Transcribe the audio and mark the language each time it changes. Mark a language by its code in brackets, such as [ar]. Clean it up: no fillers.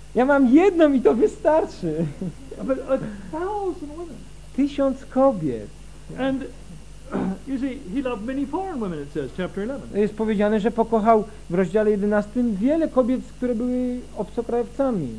[pl] Ja mam jedną i to wystarczy. [en] But a thousand women. [pl] 1000 kobiet. [en] And you see, he loved many foreign women, it says, chapter 11. [pl] Jest powiedziane, że pokochał w rozdziale 11 wiele kobiet, które były obcokrajowcami.